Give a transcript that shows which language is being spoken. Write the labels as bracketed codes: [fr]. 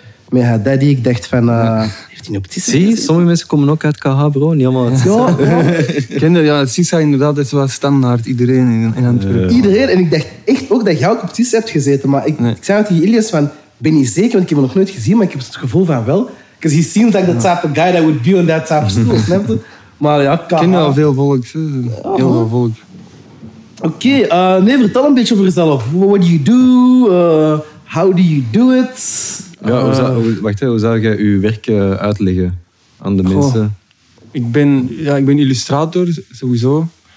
[nl] Met haar daddy. Ik dacht van... Zie, sommige mensen komen ook uit KH, bro. Niet allemaal uit Cisa. Kinder, ja, Cisa inderdaad is wel standaard. Iedereen in Antwerpen. Iedereen. En ik dacht echt ook dat jij ook op Cisa hebt gezeten. Maar ik zei tegen Ilias van... Ben niet zeker, want ik heb hem nog nooit gezien. Maar ik heb het gevoel van wel. [en] Because he seems like the type of guy that would be on that type of stoel. [nl] Maar ja, KH. Kinder al veel volk. Heel veel volk. Oké. Nee, vertel een beetje over jezelf. [en] What do you do? How do you do it? [nl] Ja, hoe zou jij uw werk uitleggen aan de mensen? Ik ben illustrator, sowieso.